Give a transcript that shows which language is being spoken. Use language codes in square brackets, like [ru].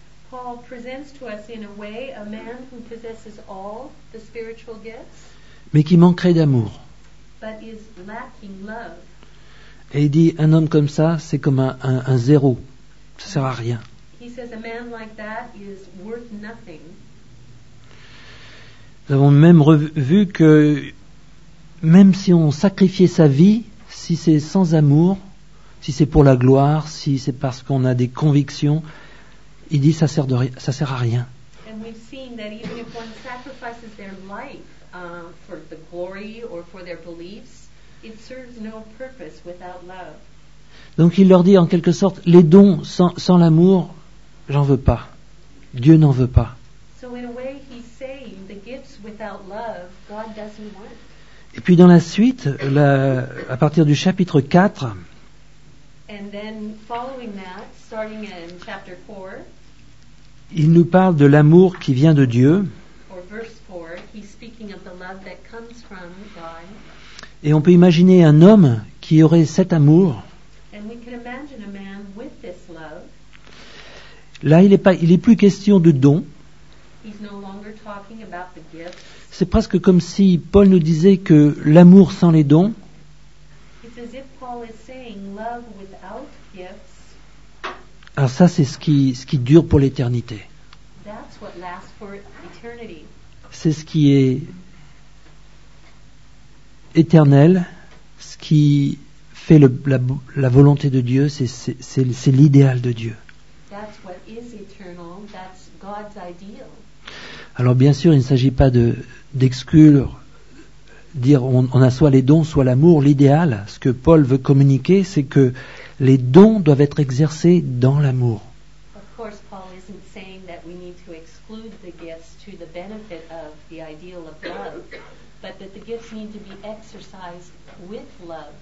[fr] Paul présente à nous, en un way, un homme qui possède tous les dons spirituels, mais qui manquerait d'amour. [en] But is lacking love. [fr] Et il dit, un homme comme ça, c'est comme un zéro. Ça ne sert à rien. [en] He says, a man like that is worth nothing. [fr] Nous avons même vu que même si on sacrifiait sa vie, si c'est sans amour, si c'est pour la gloire, si c'est parce qu'on a des convictions, il dit, ça ne sert à rien. [en] And we've seen that even if one sacrifices their life, for the glory or for their beliefs, it serves no purpose without love. [fr] Donc il leur dit en quelque sorte, les dons sans l'amour, j'en veux pas. Dieu n'en veut pas. [en] So in a way he's saying, the gifts without love, God doesn't want. [fr] Et puis dans la suite, à partir du chapitre 4, [en] and then following that, starting in chapter 4, [fr] il nous parle de l'amour qui vient de Dieu. [en] Or verse 4, he's speaking of the love that comes from God. [fr] Et on peut imaginer un homme qui aurait cet amour. [en] And we can imagine a man with this love. [fr] Là, il n'est plus question de don. [en] He's no longer talking about the gift. [fr] C'est presque comme si Paul nous disait que l'amour sans les dons, [en] it's as if Paul is saying love without gifts. [fr] Alors ça, c'est ce qui dure pour l'éternité. [en] That's what lasts for eternity. [fr] C'est ce qui est éternel, ce qui fait la volonté de Dieu, c'est l'idéal de Dieu. [en] That's what is eternal, that's God's ideal. [fr] Alors bien sûr, il ne s'agit pas d'exclure, dire on a soit les dons, soit l'amour, l'idéal. Ce que Paul veut communiquer, c'est que les dons doivent être exercés dans l'amour. [en] Of course, Paul isn't saying that we need to exclude the gifts to the benefit of the ideal of love, but that the gifts need to be exercised with love.